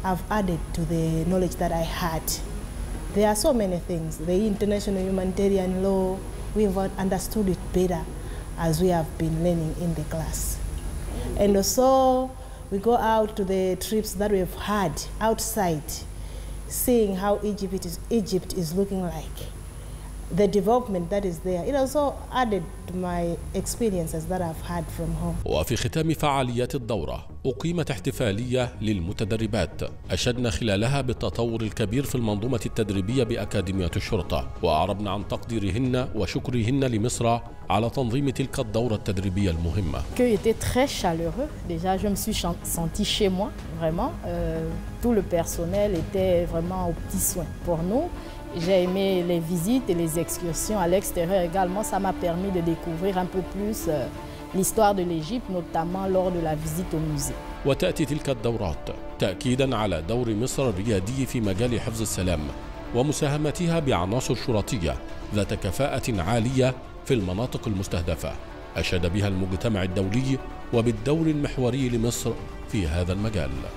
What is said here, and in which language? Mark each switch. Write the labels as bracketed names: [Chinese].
[English] I've added to the knowledge that I had. There are so many things, the international humanitarian law, we've understood it better as we have been learning in the class. And also we go out to the trips that we've had outside, seeing how Egypt is looking like, the development that is there, it also added to my experiences that I've had from home. [Arabic] وفي ختام فعاليات الدورة أقيمت احتفالية للمتدربات أشدنا خلالها بالتطور الكبير في المنظومة التدريبية بأكاديمية الشرطة، وأعربنا عن تقديرهن وشكرهن لمصر على تنظيم تلك الدورة التدريبية المهمة. [French] C'était très chaleureux. Déjà, je me suis senti chez moi vraiment. Tout le personnel était vraiment au petit soin pour nous. J'ai aimé les visites et les excursions à l'extérieur également. Ça m'a permis de découvrir un peu plus l'histoire de l'Égypte, notamment lors de la visite au musée. [Arabic] وتأتي تلك الدورات تأكيدا على دور مصر الريادي في مجال حفظ السلام ومساهمتها بعناصر شرطية ذات كفاءة عالية في المناطق المستهدفة، أشاد بها المجتمع الدولي وبالدور المحوري لمصر في هذا المجال.